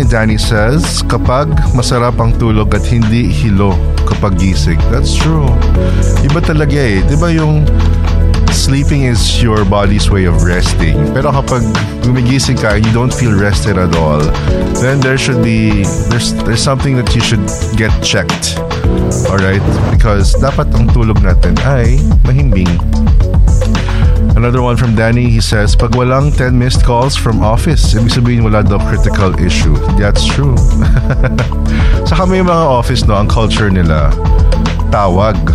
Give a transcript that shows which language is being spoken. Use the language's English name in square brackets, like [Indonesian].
[English] Danny says, [Filipino] kapag masarap ang tulog at hindi hilo kapag gising. [English] That's true. [Filipino] Iba talaga eh. Diba yung [English] sleeping is your body's way of resting. [Filipino] Pero kapag gumigising ka, [English] you don't feel rested at all. Then there's something that you should get checked. Alright? Because [Filipino] dapat ang tulog natin ay mahimbing. [English] Another one from Danny, he says, [Filipino] pag walang [English] 10 missed calls from office, [Filipino] ibig sabihin wala daw [English] critical issue. That's true. [Filipino] Saka may mga office, no, ang culture nila, tawag.